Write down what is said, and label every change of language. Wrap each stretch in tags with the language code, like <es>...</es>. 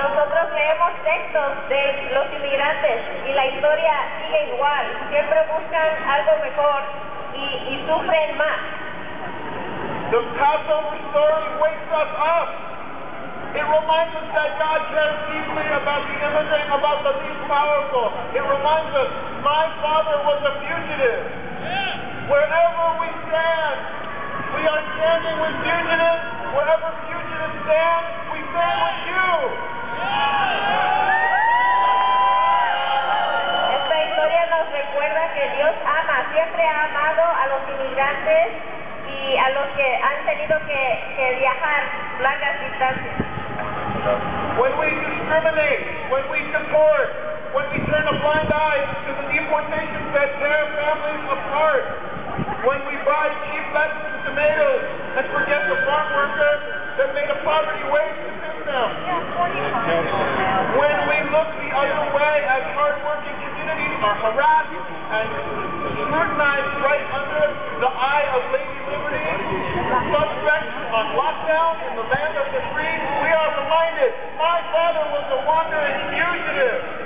<es>Textos de los inmigrantes y la historia sigue igual, siempre buscan algo mejor y sufren más.</es> <en>The Passover story wakes us up. It reminds us that God cares deeply about the immigrant, about the least powerful. It reminds us, my father was a fugitive. Wherever we stand, we are standing with fugitives. Wherever fugitives stand, we stand with you.</en> <es>Esta historia nos recuerda que Dios ama, siempre ha amado a los inmigrantes y a los que han tenido que viajar largas distancias.</es> <en>When we discriminate, when we support, when we turn a blind eye to the deportations that tear families apart, when we buy cheap lettuce and tomatoes and forget the farm worker that made a poverty wage system. When we look the other way as hardworking communities are harassed and scrutinized right under the eye of Lady Liberty, suspects on lockdown in the land of the free, we are reminded, my father was a wandering fugitive.</en>